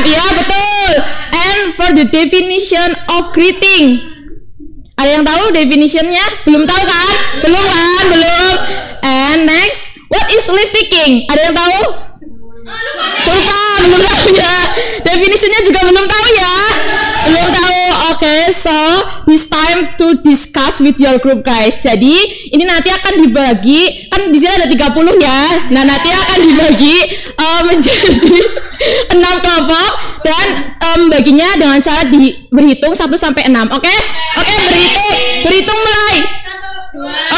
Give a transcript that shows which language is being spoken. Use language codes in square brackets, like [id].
[id] Iya, betul. [en] And for the definition of greeting. [id] Ada yang tahu definition-nya? Belum tahu kan? Belum kan? Belum. [en] And next, what is lift kicking? [id] Ada yang tahu? Lupa, belum tahu ya. Definisinya juga belum tahu ya. Belum tahu. [en] Okay, so this time to discuss with your group guys. [id] Jadi ini nanti akan dibagi, kan di sini ada 30 ya. Nah nanti akan dibagi menjadi 6 kelompok dan baginya dengan cara berhitung 1 sampai 6. Oke, okay? Oke, okay, berhitung mulai. 1, 2.